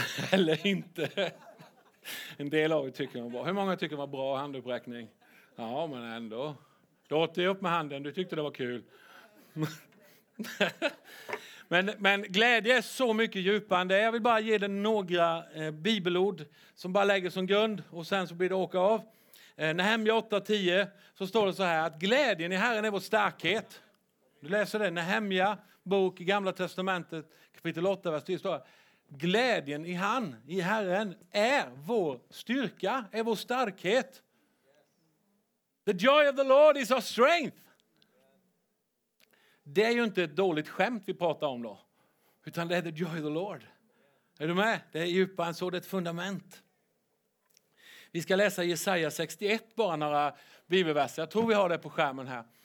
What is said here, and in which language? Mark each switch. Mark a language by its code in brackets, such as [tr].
[sv] Eller inte. En del av er tycker de var bra. Hur många tycker de var bra handuppräckning? Ja, men ändå. Du åter upp med handen, du tyckte det var kul. Men glädje är så mycket djupare än det. Jag vill bara ge dig några bibelord som bara lägger som grund. Och sen så blir det åka av. Nehemja 8:10 så står det så här. Att glädjen i Herren är vår starkhet. Du läser det. Nehemja bok i Gamla testamentet kapitel 8 vers 10 står det. Glädjen i han, i Herren, är vår styrka, är vår starkhet. [en] The joy of the Lord is our strength. [sv] Det är ju inte ett dåligt skämt vi pratar om då. Utan det är [en] the joy of the Lord. [sv] Är du med? Det är djupare än så, det är ett fundament. Vi ska läsa Jesaja 61, bara några bibelverser. Jag tror vi har det på skärmen här.